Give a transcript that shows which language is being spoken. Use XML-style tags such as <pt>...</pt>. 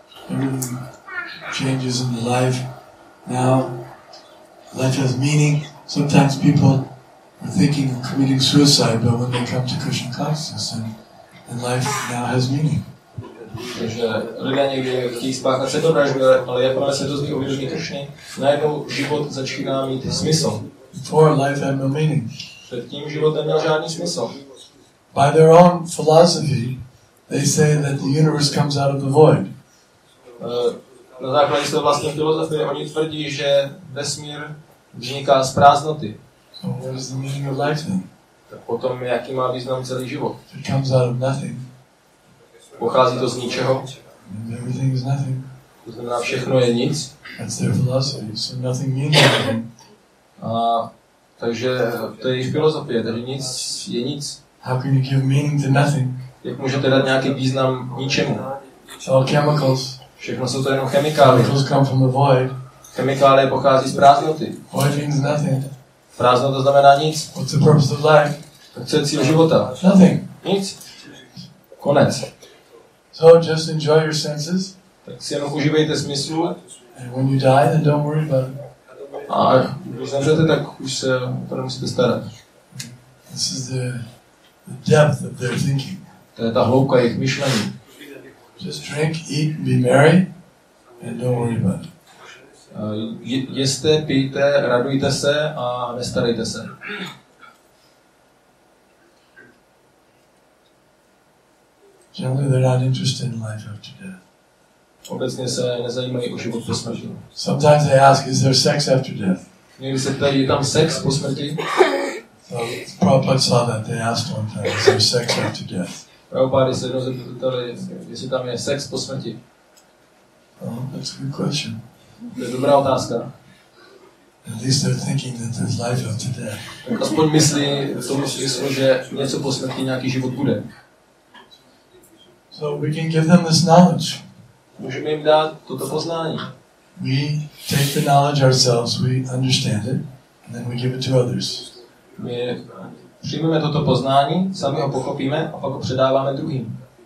<en>Everything changes in the life. Now, life has meaning. Sometimes people are thinking of committing suicide, but when they come to Krishna consciousness, then life now has meaning.</en> <cs>Takže lidé někdy chtějí spáchat sebevraždu, ale jakmile se dozví o vědomí Krišny, najednou život začíná mít smysl.</cs> <en>Before life had no meaning.</en> <cs>Předtím život neměl žádný smysl.</cs> <en>By their own philosophy, they say that the universe comes out of the void.</en> <cs>Na základě své vlastní filozofie oni tvrdí, že vesmír vzniká z prázdnoty.</cs> <en>So what is the meaning of life then?</en> <cs>Tak potom jaký má význam celý život?</cs> <en>It comes out of nothing.</en> <cs>Pochází to z ničeho?</cs> <en>And everything is nothing.</en> <cs>To znamená, všechno je nic.</cs> <en>That's their philosophy. So nothing means anything.</en> <cs>A takže to je jejich filozofie, takže nic je nic.</cs> <en>How can you give meaning to nothing?</en> <cs>Jak můžete dát nějaký význam ničemu?</cs> <en>All chemicals.</en> <cs>Všechno jsou to jenom chemikálie.</cs> <en>Chemicals come from the void.</en> <cs>Chemikálie pochází z prázdnoty.</cs> <en>Void means nothing.</en> <cs>Prázdno to znamená nic.</cs> <en>What's the purpose of life?</en> <cs>Tak co je cíl života?</cs> <en>Nothing.</en> <cs>Nic. Konec.</cs> <en>So just enjoy your senses.</en> <cs>Tak si jenom užívejte smyslu.</cs> <en>And when you die, then don't worry about it.</en> <cs>A když zemřete, tak už se to nemusíte starat.</cs> <en>This is the depth of their thinking.</en> <cs>To je ta hloubka jejich myšlení.</cs> <en>Just drink, eat, be merry, and don't worry about it.</en> <cs>Jeste, pijte, radujte se a nestarejte se.</cs> <en>Generally, they're not interested in life after death.</en> <cs>Obecně se nezajímají o život po smrti.</cs> <en>Sometimes they ask, is there sex after death?</en> <cs>Někdy se ptají, je tam sex po smrti?</cs> <en>So, Prabhupada saw that, they asked one time, is there sex after death?</en> <cs>Prabhupada se jednou zeptali, jestli tam je sex po smrti.</cs> <en>Oh, that's a good question.</en> <cs>To je dobrá otázka.</cs> <en>At least they're thinking that there's life after death.</en> <cs>Tak aspoň myslí v tom smyslu, že něco po smrti, nějaký život bude.</cs> <en>So we can give them this knowledge.</en> <cs>Můžeme jim dát toto poznání.</cs> <en>We take the knowledge ourselves, we understand it, and then we give it to others.</en> <cs>My přijmeme toto poznání, sami ho pochopíme a pak ho předáváme druhým.</cs>